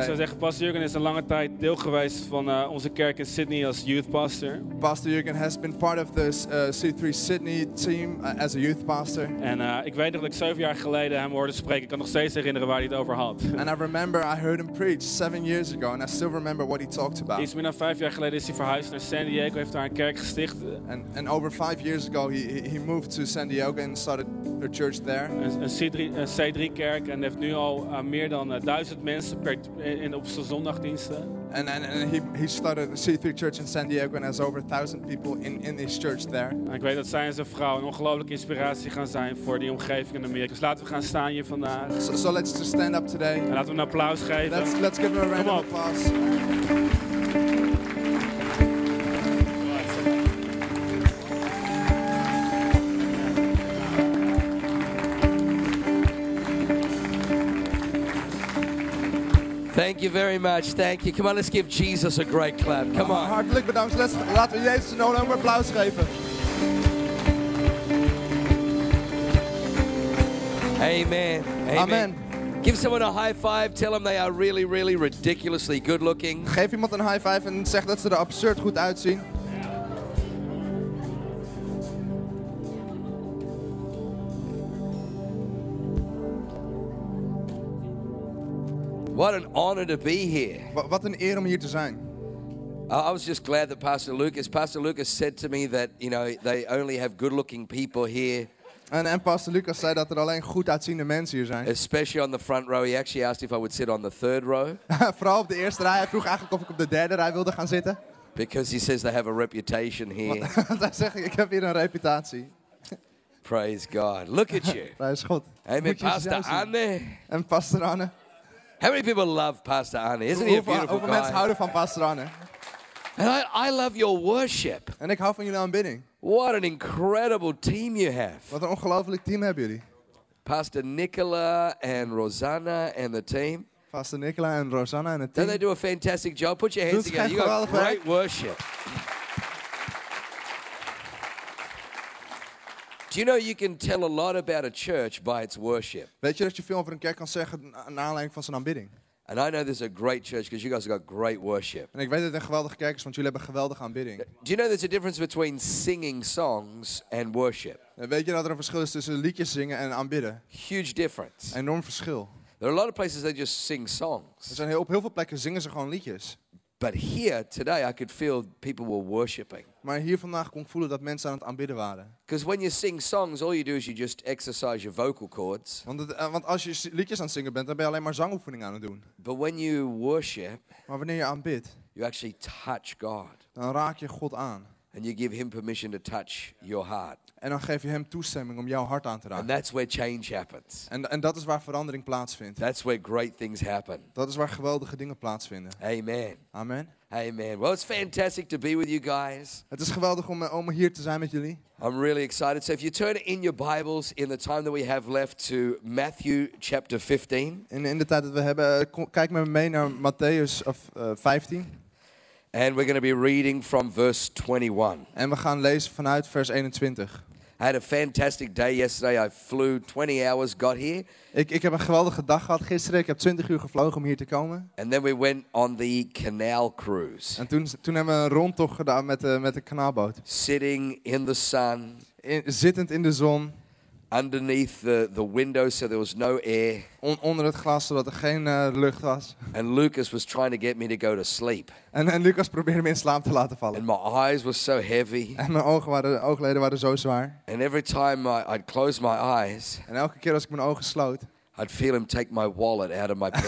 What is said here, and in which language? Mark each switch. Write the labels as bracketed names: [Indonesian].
[Dutch] Ik zou zeggen, Pastor Jurgen is een lange tijd deel geweest van onze kerk in Sydney als youth pastor. [English] Pastor Jurgen has been part of this C3 Sydney team as a youth pastor. [Dutch] En ik weet dat ik 7 jaar geleden hem hoorde spreken. Ik kan nog steeds herinneren waar hij het over had. [English] And I remember I heard him preach 7 years ago, and I still remember what he talked about. [Dutch] Iets meer dan 5 jaar geleden is hij verhuisd naar San Diego, heeft daar een kerk gesticht. [English] And over 5 years ago, he moved to San Diego and started a church there. [Dutch] Een C3 kerk en heeft nu al meer dan 1000 mensen in op zijn zondagdiensten. [English] And he started a C3 church in San Diego and has over 1,000 people in his church there. [Dutch] En ik weet dat zij en zijn vrouw een ongelooflijke inspiratie gaan zijn voor die omgeving in Amerika. Dus laten we gaan staan hier vandaag. [English] So let's just stand up today. [Dutch] En laten we een applaus geven. [English] Let's give him a round of applause. Thank you very much. Thank you. Come on, let's give Jesus a great clap. Come on. [Dutch] Hartelijk bedankt. Laten we Jezus een enorm applaus geven. Amen. Amen. [English] Give someone a high five. Tell them they are really, really ridiculously good looking. [Dutch] Geef iemand een high five en zeg dat ze er absurd goed uitzien. [English] What an honor to be here. [Dutch] Wat een eer om hier te zijn. [English] I was just glad that Pastor Lucas said to me that, you know, they only have good-looking people here. [Dutch] En Pastor Lucas zei dat er alleen goed uitziende mensen hier zijn. [English] Especially on the front row. He actually asked if I would sit on the third row. [Dutch] Vooral op de eerste rij. Hij vroeg eigenlijk of ik op de derde rij wilde gaan zitten. [English] Because he says they have a reputation here. [Dutch] Want hij zegt, ik heb hier een reputatie. [English] Praise God. Look at you. Praise God. Amen. Pastor Anne. [Dutch] En Pastor Anne. [English] How many people love Pastor Arne? Isn't he a beautiful guy? [Dutch] Hoeveel mensen houden van Pastor Arne? [English] And I love your worship. [Dutch] En ik hou van jullie aanbidding. [English] What an incredible team you have. [Dutch] Wat een ongelooflijk team hebben jullie. [English] Pastor Nicola and Rosanna and the team. Pastor Nicola and Rosanna and the team. Don't they do a fantastic job? Put your hands together. You've got great worship. Do you know you can tell a lot about a church by its worship? [Dutch] Weet je dat je veel over een kerk kan zeggen aan aanleiding van zijn aanbidding? [English] And I know this is a great church because you guys have got great worship. [Dutch] En ik weet dat het een geweldige kerk is, want jullie hebben geweldige aanbidding. [English] Do you know there's a difference between singing songs and worship? [Dutch] Weet je dat er een verschil is tussen liedjes zingen en aanbidden? [English] Huge difference. [Dutch] Een enorm verschil. [English] There are a lot of places that just sing songs. [Dutch] Er zijn op heel veel plekken zingen ze gewoon liedjes. [English] But here today I could feel people were worshiping. [Dutch] Maar hier vandaag kon ik voelen dat mensen aan het aanbidden waren. [English] Because when you sing songs, all you do is you just exercise your vocal cords. [Dutch] Want als je liedjes aan het zingen bent, dan ben je alleen maar zangoefeningen aan het doen. [English] But when you worship, [Dutch] maar wanneer je aanbidt, [English] you actually touch God. [Dutch] Dan raak je God aan. [English] And you give him permission to touch your heart. [Dutch] En dan geef je hem toestemming om jouw hart aan te raken. [English] And that's where change happens. [Dutch] En dat is waar verandering plaatsvindt. [English] That's where great things happen. [Dutch] Dat is waar geweldige dingen plaatsvinden. Amen. Amen. Amen. [English] Well, it's fantastic to be with you guys. [Dutch] Het is geweldig om hier te zijn met jullie. [English] I'm really excited. So if you turn in your Bibles in the time that we have left to Matthew chapter 15. [Dutch] In de tijd dat we hebben, kijk maar mee naar Matthäus 15. [English] And we're going to be reading from verse 21. [Dutch] En we gaan lezen vanuit vers 21. [English] I had a fantastic day yesterday. I flew 20 hours, got here. [Dutch] Ik heb een geweldige dag gehad gisteren. Ik heb 20 uur gevlogen om hier te komen. [English] And then we went on the canal cruise. [Dutch] En toen hebben we een rondtocht gedaan met de kanaalboot. [English] Sitting in the sun. [Dutch] Zittend in de zon. [English] Underneath the window, so there was no air. [Dutch] Onder het glas, zodat er geen lucht was. [English] And Lucas was trying to get me to go to sleep. [Dutch] En Lucas probeerde me in slaap te laten vallen. [English] And my eyes were so heavy. [Dutch] En mijn oogleden waren zo zwaar. [English] And every time I'd close my eyes. [Dutch] En elke keer als ik mijn ogen sloot. [English] I'd feel him take my wallet out of my pants.